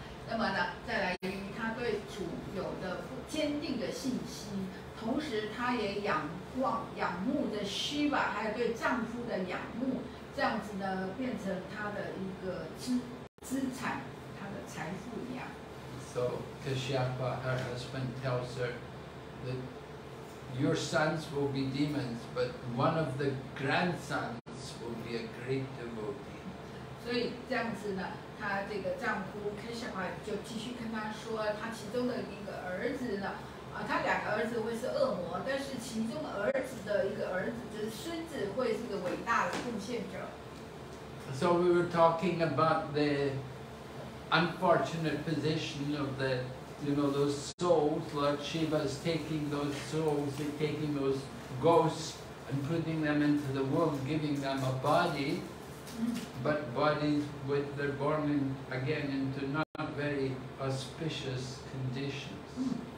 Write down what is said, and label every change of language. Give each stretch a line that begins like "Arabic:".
Chinese: 那么呢，再来，由于她对主有的坚定的信心，同时她也仰望、仰慕着Shiva，还有对丈夫的仰慕，这样子呢，变成她的一个资产，她的财富一样。
English: So Kashyapa, her husband, tells her that your sons will be demons, but one of the grandsons will be a great devotee.
Chinese: 所以这样子呢，她这个丈夫 Kashyapa 就继续跟她说，她其中的一个儿子呢，啊，她两个儿子会是恶魔，但是其中儿子的一个儿子就是孙子会是个伟大的贡献者。
English: So we were talking about the unfortunate position of the, you know, those souls. Lord Shiva is taking those souls, he's taking those ghosts and putting them into the womb, giving them a body, but bodies with they're born in, again into not very auspicious conditions.